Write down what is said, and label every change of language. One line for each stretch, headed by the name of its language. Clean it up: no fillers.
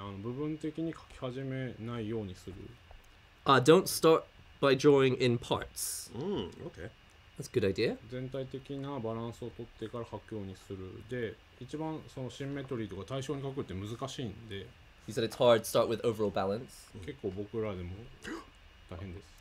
Japanese: 部分的に描き始めないようにする。
English: Don't start by drawing in parts. Okay. That's a good idea.
Japanese: 全体的なバランスを取ってから描くようにする。で、一番そのシンメトリーとか対称に描くって難しいんで。
English: He said it's hard to start with overall balance.
Japanese: 結構僕らでも大変です。